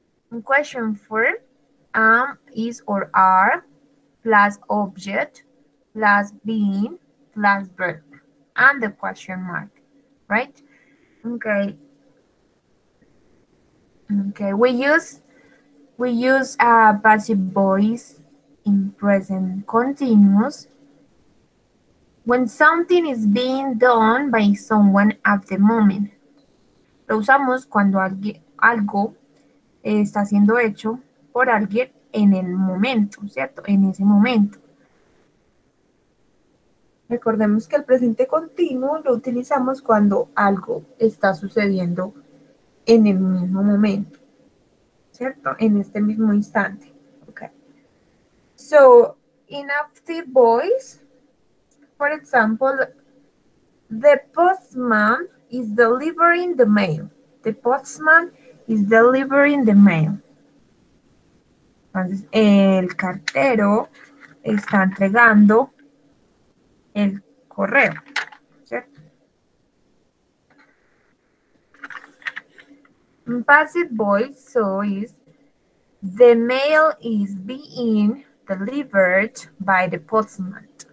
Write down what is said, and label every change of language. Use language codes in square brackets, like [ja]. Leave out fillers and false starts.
[en] In question form, am, is, or are plus object plus been plus verb and the question mark, right? Okay. Okay, we use passive voice in present continuous when something is being done by someone at the moment. [es] Lo usamos cuando algo está siendo hecho por alguien en el momento, ¿cierto? En ese momento. Recordemos que el presente continuo lo utilizamos cuando algo está sucediendo en el mismo momento. ¿cierto? En este mismo instante. Okay. [en] So, in active voice, for example, the postman is delivering the mail. The postman is delivering the mail. [es] Entonces, el cartero está entregando el correo, ¿cierto? [en] Passive voice, so is the mail is being delivered by the postman.